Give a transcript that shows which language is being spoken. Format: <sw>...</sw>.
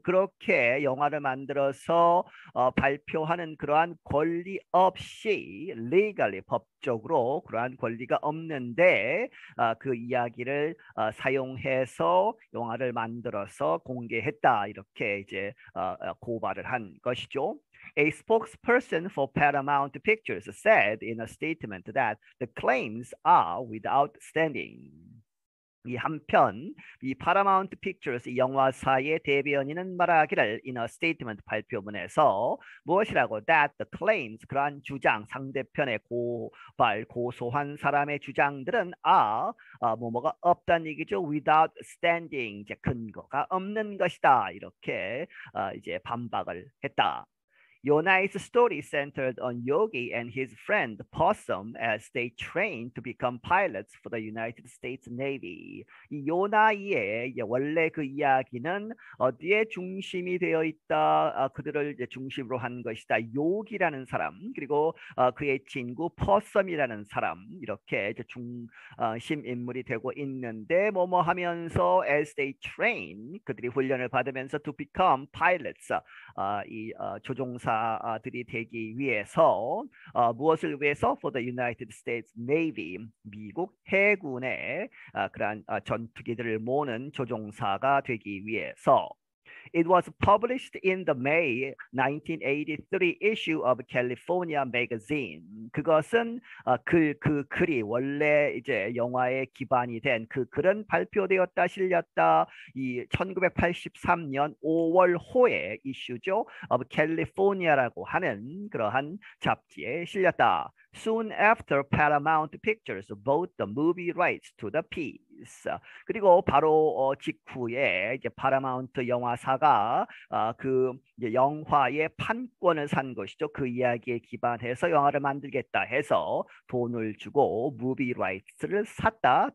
<ko>그렇게 영화를 만들어서 발표하는 그러한 권리 없이 legally 법 적으로 그러한 권리가 없는데 그 이야기를 사용해서 영화를 만들어서 공개했다 이렇게 이제 고발을 한 것이죠.</ko> <en>A spokesperson for Paramount Pictures said in a statement that the claims are without standing.</en> <ko>이 한편 이 Paramount Pictures 이 영화사의 대변인은 말하기를</ko> <en>in a statement</en> <ko>발표문에서 무엇이라고</ko> <en>that the claims</en> <ko>그러한 주장 상대편의 고발 고소한 사람의 주장들은 are 뭐뭐가 없다는 얘기죠</ko> <en>without standing</en> <ko>이제 근거가 없는 것이다 이렇게 이제 반박을 했다.</ko> <en>Your nice story centered on Yogi and his friend Possum as they train to become pilots for the United States Navy.</en> <ko>이 요나이의 원래 그 이야기는 어디에 중심이 되어 있다. 그들을 이제 중심으로 한 것이다. 요기라는 사람 그리고 그의 친구 퍼썸이라는 사람 이렇게 이제 중심 인물이 되고 있는데 뭐뭐 하면서</ko> <en>as they train</en> <ko>그들이 훈련을 받으면서</ko> <en>to become pilots</en> <ko>조종사 들이 되기 위해서 무엇을 위해서</ko> <en>for the United States Navy</en> <ko>미국 해군의 그러한 전투기들을 모으는 조종사가 되기 위해서</ko> <en>It was published in the May 1983 issue of California Magazine.</en> <ko>그것은 그 글이 원래 이제 영화에 기반이 된그 글은 발표되었다 실렸다. 이 1983년 5월 호에 이슈죠. of California라고 하는 그러한 잡지에 실렸다.</ko> <en>Soon after Paramount Pictures bought the movie rights to the piece.</en> <ko>그리고 바로 직후에 이제 파라마운트 영화사가 그 영화의 판권을 산 것이죠. 그 이야기에 기반해서 영화를 만들겠다 해서 돈을 주고 무비 라이트를 샀다.</ko>